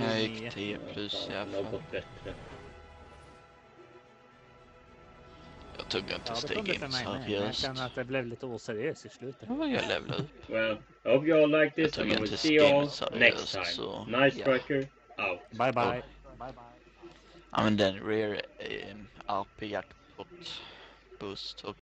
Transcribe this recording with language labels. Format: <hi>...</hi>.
<sv>Jag gick 10 plus i alla fall. Jag tog inte steg in seriöst. Jag känner att det blev lite oseriöst i slutet. Jag levlade upp.</sv> <en>Well, I hope you all liked this and we'll see you all next time.</en> <sv>Så,</sv> <en>nice striker, yeah. Out. Bye bye. Oh.</en> <sv>Ja, men den rear RP-jackpot boost och</sv>